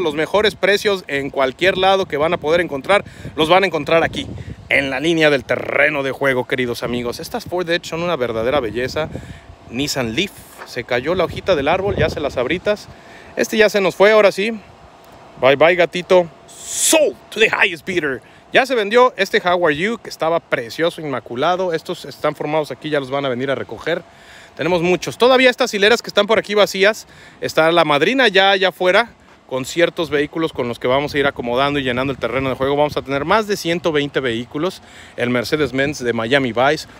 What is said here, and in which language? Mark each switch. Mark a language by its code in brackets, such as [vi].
[es] Los mejores precios en cualquier lado que van a poder encontrar, los van a encontrar aquí, en la línea del terreno de juego, queridos amigos. Estas Ford Edge son una verdadera belleza. Nissan Leaf, se cayó la hojita del árbol, ya se las abritas. Este ya se nos fue, ahora sí. Bye bye, gatito. [en] Sold to the highest bidder. [es] Ya se vendió este Jaguar U, que estaba precioso, inmaculado. Estos están formados aquí, ya los van a venir a recoger. Tenemos muchos. Todavía estas hileras que están por aquí vacías, está la madrina ya allá afuera, con ciertos vehículos con los que vamos a ir acomodando y llenando el terreno de juego. Vamos a tener más de 120 vehículos. El Mercedes-Benz de Miami Vice.